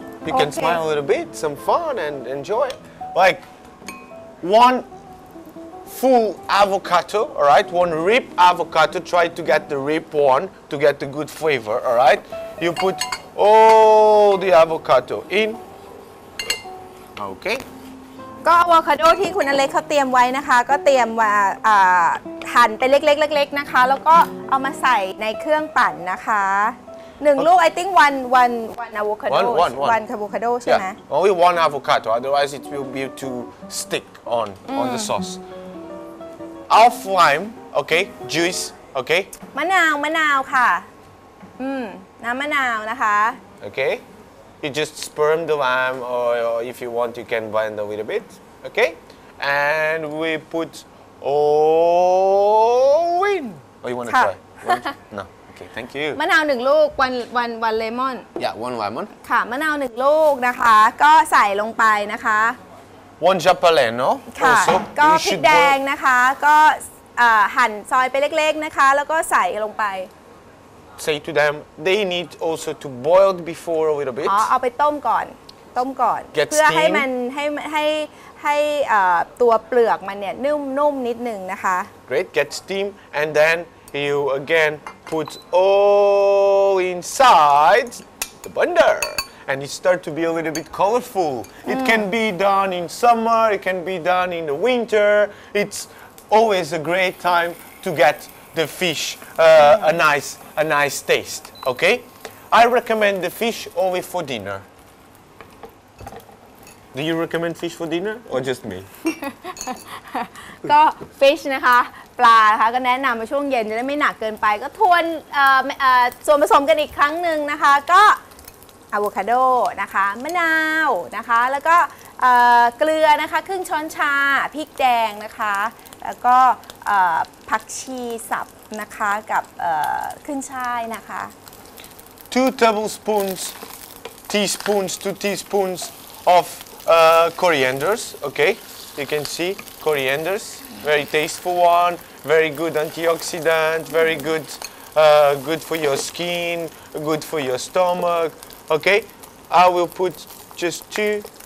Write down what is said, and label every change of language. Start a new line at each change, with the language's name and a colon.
English: You can smile a little bit, some fun and enjoy. Like one full avocado, all right? One ripe avocado, try to get the ripe one to get the good flavor, all right? You put all the avocado in. Okay.
Thai: ก็อะโวคาโดที่คุณอเล็กเขาเตรียมไว้นะคะก็เตรียมมาหั่นเป็นเล็กๆๆๆนะคะแล้วก็เอามาใส่ในเครื่องปั่นนะคะ1ลูก
English: I think 1 avocado
Thai: ใช่ไหม
English: Only 1 avocado otherwise it will be too stick on the sauce half lime okay juice okay
Thai: มะนาวมะนาวค่ะน้ำมะนาวนะคะ
English: okayYou just sperm the lime, or if you want, you can blend a little bit. Okay? And we put all in. Oh, you want to try? No. Okay, thank you.
Thai: มะนาว 1 ลูก
English: 1 lemon. Yeah, 1 lemon.
Thai: ค่ะ มะนาว 1 ลูกนะคะ ก็ใส่ลงไปนะคะ
English: 1 jalapeno.
Thai: ค่ะ ก็พริกแดงนะคะ ก็หั่นซอยไปเล็กๆนะคะ แล้วก็ใส่ลงไป
English: Say to them, they need also to boil before a little bit.
Thai: เอาไปต้มก่อน ต้มก่อน
English: Get steam.
Thai: ให้มันให้ตัวเปลือกมันเนี่ยนุ่มนุ่มนิดนึงนะคะ
English: Great, get steam, and then you again put all inside the blender, and it start to be a little bit colorful. It can be done in summer, it can be done in the winter. It's always a great time to get the fish a nice taste, okay? I recommend the fish only for dinner. Do you recommend fish for dinner or just me?
Thai: ก็ fish นะคะปลานะคะก็แนะนำมาช่วงเย็นจะได้ไม่หนักเกินไปก็ทวนส่วนผสมกันอีกครั้งหนึ่งนะคะก็อะโวคาโดนะคะมะนาวนะคะแล้วก็เกลือนะคะครึ่งช้อนชาพริกแดงนะคะแล้วก็ผักชีสับนะคะกับขึ้นช่ายนะคะ
English: 2 tablespoons teaspoons 2 teaspoons of corianders okay you can see corianders very tasteful one very good antioxidant very good good for your skin good for your stomach okay I will put just 2